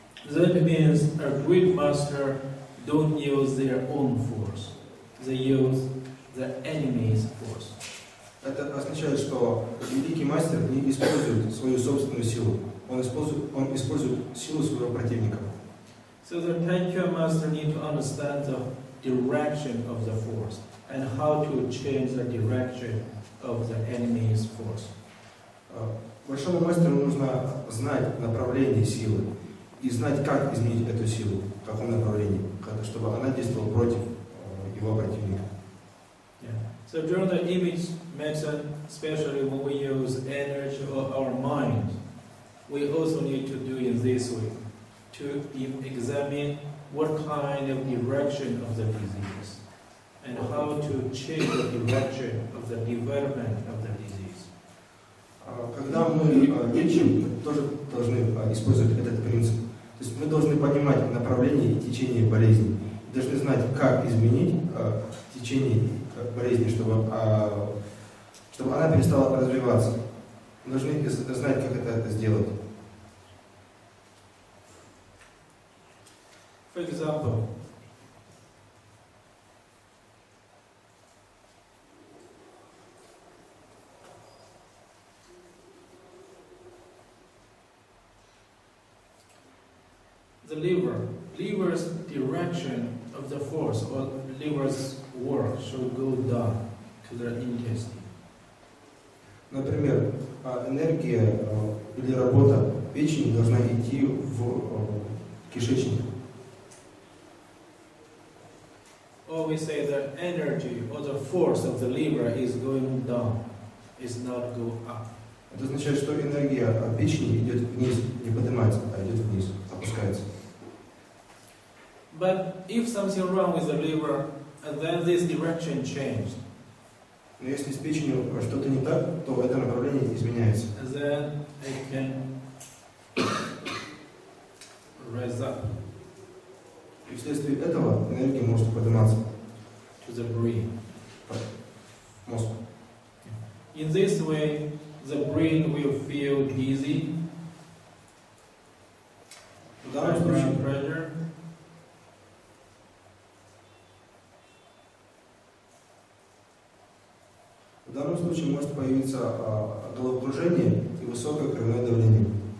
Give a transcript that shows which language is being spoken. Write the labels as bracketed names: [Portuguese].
[English] That means a great master don't use their own force; they use the enemy's force. [Russian] Это означает, что великий мастер не использует свою собственную силу. Он использует силу своего противника. [English] So the Tai Chi Chuan master need to understand the direction of the force and how to change the direction of the enemy's force. [Russian] Большому мастеру нужно знать направление силы и знать, как изменить эту силу, в каком направлении, чтобы она действовала против его противника. Yeah. [English] So during the image method, especially when we use energy or our mind, we also need to do it this way. To examine what kind of direction of the disease and how to change the direction of the development of the disease. [Russian] Когда мы лечим, мы тоже должны использовать этот принцип. То есть мы должны понимать направление и течение болезни. Мы должны знать, как изменить течение болезни, чтобы она перестала развиваться. Мы должны знать, как это сделать. [English] For example, the liver. Liver's direction of the force or liver's work should go down to the intestine. [Russian] Например, энергия или работа печени должна идти в кишечник. [English] Or we say the energy or the force of the liver is going down, is not go up. [Russian] Это означает, что энергия печени идет вниз, не поднимается, а идет вниз, опускается. [English] But if something wrong with the liver, then this direction changed. [Russian] Но если с печенью что-то не так, то это направление изменяется. [English] And then it can rise up. [Russian] И вследствие этого энергия может подниматься. [English] To the brain. [Russian] Мозг. [English] In this way, the brain will feel dizzy. [Russian] В данном случае может появиться головокружение и высокое кровяное давление.